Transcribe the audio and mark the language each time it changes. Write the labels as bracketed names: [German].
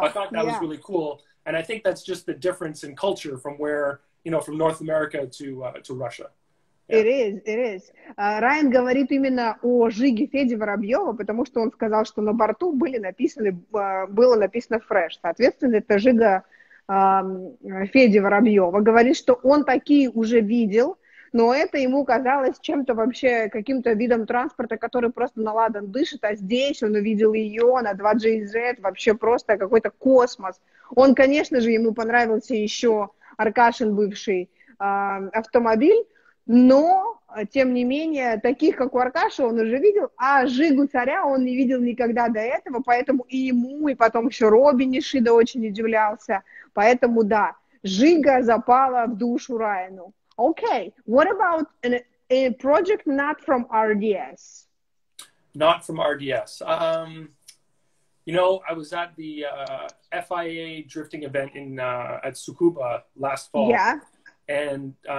[English] So I thought that was really cool, and I think that's just the difference in culture from where, you know, from North America to Russia. It is. [Russian] Райан говорит именно о Жиге Феди Воробьева, потому что он сказал, что на борту было написано «Fresh». Соответственно, это Жига Феди Воробьева. Говорит, что он такие уже видел, но это ему казалось чем-то вообще, каким-то видом транспорта, который просто на ладан дышит, а здесь он увидел ее на 2JZ, вообще просто какой-то космос. Он, конечно же, ему понравился еще Аркашин бывший автомобиль, но, тем не менее, таких, как у Аркаши, он уже видел, а Жигу царя он не видел никогда до этого, поэтому и ему, и потом еще Робби Нишида очень удивлялся. Поэтому, да, Жига запала в душу Райану. [English] Okay, what about a project not from RDS? Not from RDS. You know, I was at the FIA drifting event at Tsukuba last fall. Yeah. And...